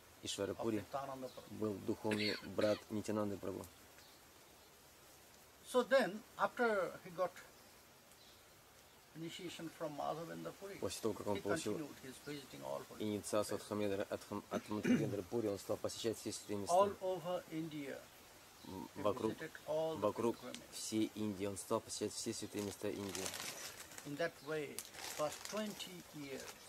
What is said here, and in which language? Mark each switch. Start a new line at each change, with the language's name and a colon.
Russian: Ишварапури был духовный брат Нитянанды Прабху.
English: So then, after he got initiation from Madhavendra Puri,
Russian: после того, как он получил инициацию от Мадхавендра Пури, он стал посещать все святые места.
English: All over India.
Russian: Вокруг всей Индии он стал посещать все святые места Индии.
English: In that way, for 20 years.